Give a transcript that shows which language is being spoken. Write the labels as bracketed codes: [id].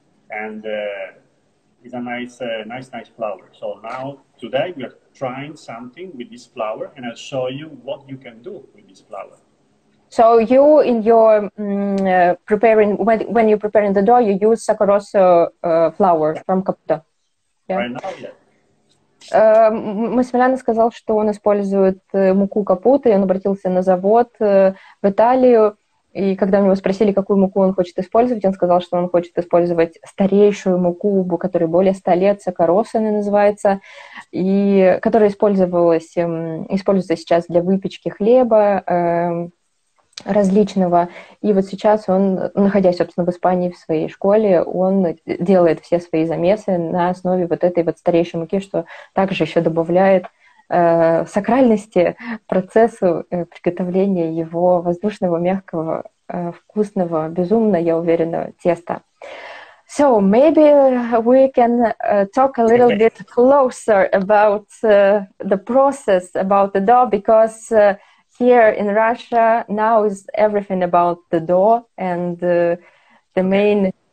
[en] And it's a nice flour. So now, today, we are trying something with this flour, and I'll show you what you can do with this flour. So you, in your preparing, when you're preparing the dough, you use Sacco Rosso flour from Caputo. Yeah. Right now, yeah. [ru] Массимилиано сказал, что он использует муку Капуто, и он обратился на завод в Италию, и когда у него спросили, какую муку он хочет использовать, он сказал, что он хочет использовать старейшую муку, которой более 100 лет, Сакко Россо она называется, и которая используется сейчас для выпечки хлеба различного, и вот сейчас он, находясь, собственно, в Испании, в своей школе, он делает все свои замесы на основе вот этой вот старейшей муки, что также еще добавляет сакральности процессу приготовления его воздушного, мягкого, вкусного, безумно, я уверена, теста. [en] So, maybe we can talk a little bit closer about the process, about the dough, because here in Russia, now is everything about the dough and the main...